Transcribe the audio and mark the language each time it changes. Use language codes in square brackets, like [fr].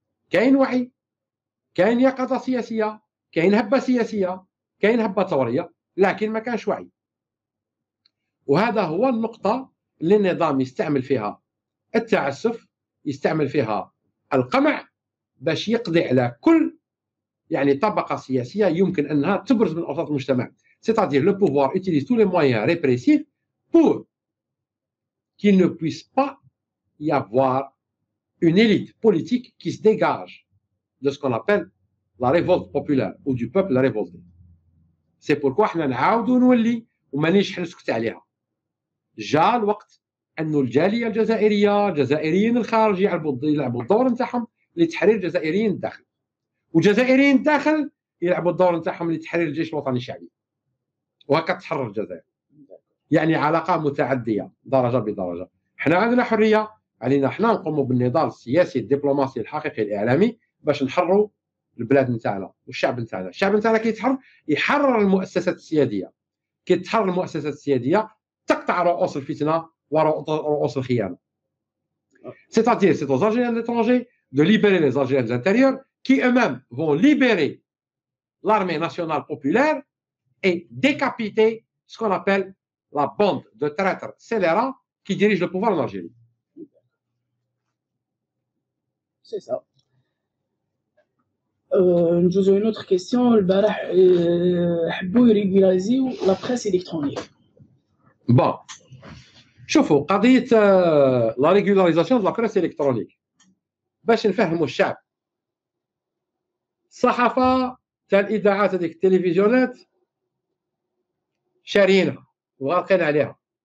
[ar] كاين وعي كاين يقظة سياسية كاين هبة سياسية كاين هبة ثورية لكن ما كانش وعي. وهذا هو النقطة اللي النظام يستعمل فيها التعسف يستعمل فيها القمع باش يقضي على كل يعني طبقة سياسية يمكن أنها تبرز من أوساط المجتمع. [fr] c'est-à-dire le pouvoir utilise tous les moyens répressifs pour qu'il ne puisse pas y avoir une élite politique qui se dégage de ce qu'on appelle la révolte populaire ou du peuple révolté. c'est pourquoi [ar] إحنا نعاودو نولي ومانيش حنسكت عليها. جاء الوقت أن الجالية الجزائرية الجزائريين الخارج يلعبوا الدور نتاعهم لتحرير الجزائريين الداخل وجزائريين الداخل يلعبوا الدور نتاعهم لتحرير الجيش الوطني الشعبي وهكا تحرر الجزائر. يعني علاقة متعدية درجة بدرجة. احنا عندنا حرية علينا احنا نقوموا بالنضال السياسي الدبلوماسي الحقيقي الإعلامي باش نحرروا البلاد نتاعنا والشعب نتاعنا. الشعب نتاعنا كي يتحرر يحرر المؤسسات السيادية. كي تحرر المؤسسات السيادية تقطع رؤوس الفتنة ورؤوس الخيانة. [fr] c'est-à-dire c'est aux Algériens étrangers de libérer les Algériens intérieurs qui eux-mêmes vont libérer l'armée nationale populaire et décapiter ce qu'on appelle la bande de traîtres scélérats qui dirige le pouvoir en Algérie. C'est ça. Nous avons une autre question. Le Barah [ar] حبوا يريغيلازيو [fr] la presse électronique. Bon. [ar] شوفوا قضية لا ريغولاريزاسيون دو لا بريس الكترونيك باش نفهموا الشعب. الصحافة تاع الإذاعات هذيك التلفزيونات شارينها وغالقين عليها.